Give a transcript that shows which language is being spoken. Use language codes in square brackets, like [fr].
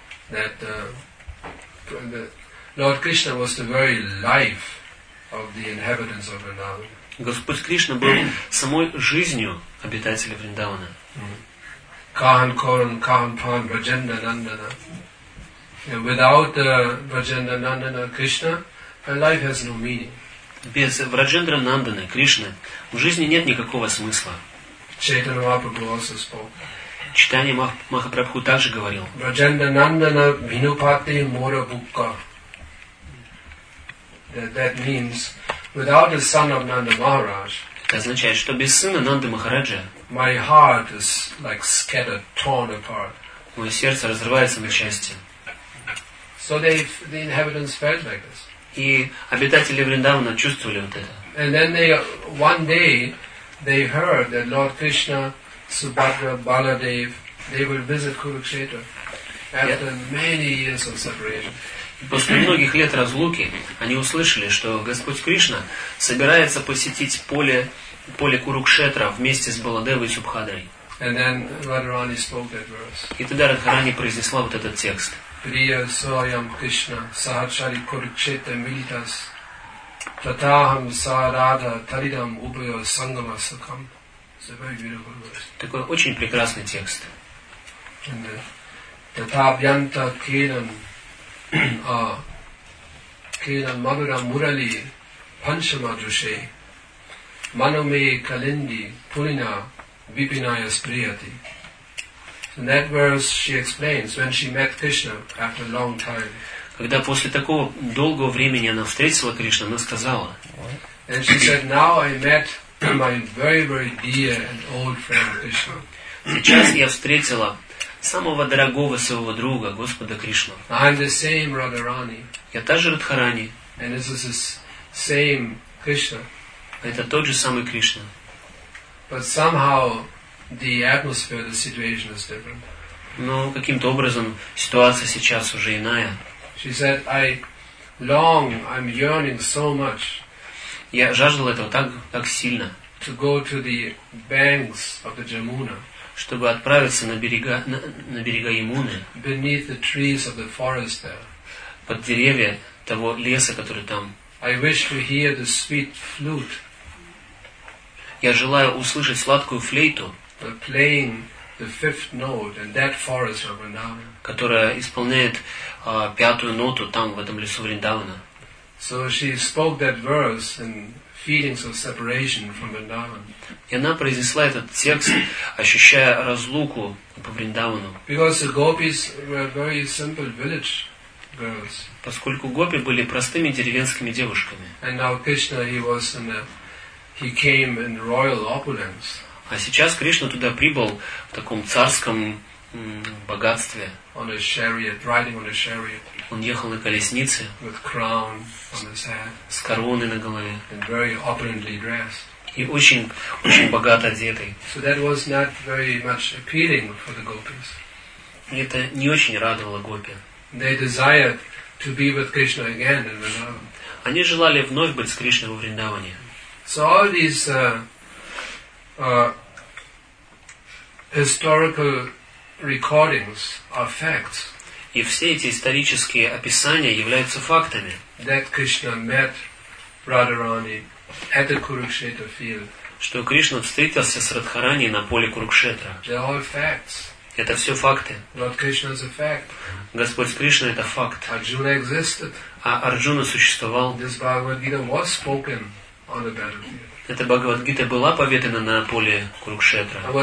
[en] That Lord Krishna was the very life of the inhabitants of Vrindavan. [ru] Господь Кришна был самой жизнью обитателя Вриндавана. [bn] Kahan Koran, Kahan Pran, Vrajendra Nandana. [en] Without Vrajendra Nandana Krishna, her life has no meaning. [ru] Без Vrajendra Nandana Krishna в жизни нет никакого смысла. [en] Chaitanya Mahaprabhu also spoke. [ru] Читание Махапрабху также говорил. [bn] Vrajendra Nandana Vinupati Mora Bukka. [en] That means without the son of Nanda Maharaj. [ru] Это означает, что без сына Нанды Махараджа. [en] My heart is like scattered, torn apart. [ru] Мое сердце разрывается на части. [en] So the inhabitants felt like this. [ru] И обитатели Вриндавана чувствовали вот это. [en] And then they, one day, they heard that Lord Krishna, Subhadra, Baladev, they will visit Kurukshetra after many years of separation. [ru] После многих лет разлуки они услышали, что Господь Кришна собирается посетить поле Курукшетра вместе с Баладевой и Субхадрой. [en] And then Radharani spoke that verse. [ru] И тогда Радхарани произнесла вот этот текст. [sa] Priya Soyam Krishna Sahachari Kurukshetra Militas Tataham Sarada Taridam Ubhaya Sangama Sukham. [en] It's a very beautiful verse. [ru] Такой очень прекрасный текст. [sa] And Tatabhyanta Kiran Kiran Madhura Murali Panchama Dushe Manome Kalindi Pulina Vipinaya Spriyati. [en] In that verse she explains when she met Krishna after a long time. [ru] Когда после такого долгого времени она встретила Кришну, она сказала. [en] And she said, now I met my very, very dear and old friend Krishna. [ru] Сейчас я встретила самого дорогого своего друга, Господа Кришну. [en] I'm the same Radharani. [ru] Я та же Радхарани. [en] And this is the same Krishna. [ru] Это тот же самый Кришна. [en] But somehow the atmosphere, the situation is different. [ru] Но каким-то образом ситуация сейчас уже иная. [en] She said, I long, I'm yearning so much. [ru] Я жаждал этого так сильно. [en] To go to the banks of the Jamuna. [ru] Чтобы отправиться на берега Ямуны. [en] Beneath the trees of the forest there. [ru] Под деревья того леса, который там. [en] I wish to hear the sweet flute. [ru] Я желаю услышать сладкую флейту. [en] But playing the fifth note in that forest of Vrindavana. [ru] Которая исполняет пятую ноту там, в этом лесу Вриндавана. [en] So she spoke that verse in feelings of separation from Vrindavan. [ru] И она произнесла этот текст, ощущая разлуку по Вриндавану. [en] Because the gopis were very simple village girls. [ru] Поскольку гопи были простыми деревенскими девушками. [en] And now Krishna, he came in royal opulence. [ru] А сейчас Кришна туда прибыл в таком царском богатстве. [en] On a chariot, riding on a chariot. [ru] Он ехал на колеснице. [en] With crown on his head. [ru] С короной на голове. [en] And very opulently dressed. [ru] И очень, очень богато одетый. [en] So that was not very much appealing for the gopis. [ru] И это не очень радовало гопи. [en] They desired to be with Krishna again in Vrindavan. [ru] Они желали вновь быть с Кришной во Вриндаване. [en] So all these historical recordings are facts. [ru] И все эти исторические описания являются фактами. [en] That Krishna met Radharani at the Kurukshetra field. [ru] Что Кришна встретился с Радхарани на поле Курукшетра. [en] They're all facts. [ru] Это все факты. [en] Lord Krishna is a fact. [ru] Господь Кришна это факт. [en] Arjuna existed. [ru] А Арджуна существовал. [en] This Bhagavad Gita was spoken on the battlefield. [ru] Эта Бхагавад-гита была поведена на поле Курукшетра.